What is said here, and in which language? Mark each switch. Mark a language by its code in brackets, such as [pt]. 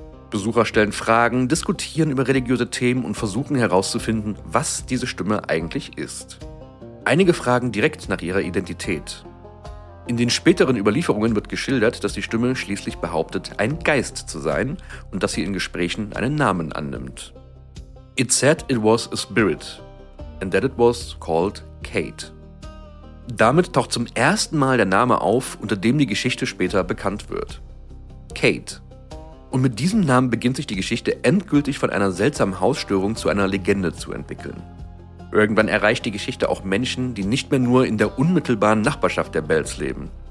[de] Besucher stellen Fragen, diskutieren über religiöse Themen und versuchen herauszufinden, was diese Stimme eigentlich ist. Einige fragen direkt nach ihrer Identität. In den späteren Überlieferungen wird geschildert, dass die Stimme schließlich behauptet, ein Geist zu sein und dass sie in Gesprächen einen Namen annimmt. [en] It said it was a spirit, and that it was called Kate. [de] Damit taucht zum ersten Mal der Name auf, unter dem die Geschichte später bekannt wird. Kate. Und mit diesem Namen beginnt sich die Geschichte endgültig von einer seltsamen Hausstörung zu einer Legende zu entwickeln. Irgendwann erreicht die Geschichte auch Menschen, die nicht mehr nur in der unmittelbaren Nachbarschaft der Bells leben.